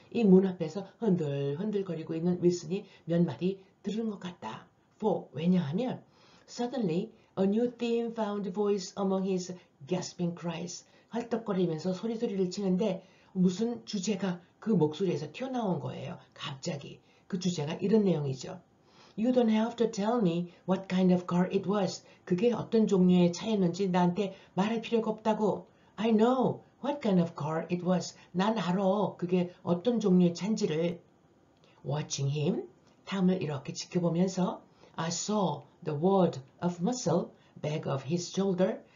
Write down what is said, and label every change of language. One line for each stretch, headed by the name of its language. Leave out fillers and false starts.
Korean: 이문 앞에서 흔들흔들거리고 있는 윌슨이 몇 마디 들은 것 같다.
English: For,
Korean: 왜냐하면,
English: suddenly a new theme found voice among his gasping cries.
Korean: 헐떡거리면서 소리소리를 치는데 무슨 주제가 그 목소리에서 튀어나온 거예요. 갑자기. 그 주제가 이런 내용이죠.
English: You don't have to tell me what kind of car it was.
Korean: 그게 어떤 종류의 차였는지 나한테 말할 필요가 없다고.
English: I know. What kind of car it was?
Korean: 난 알아. 그게 어떤 종류의 차인지를.
English: Watching him,
Korean: 탐을 이렇게 지켜보면서,
English: I saw the wad of muscle back of his shoulder.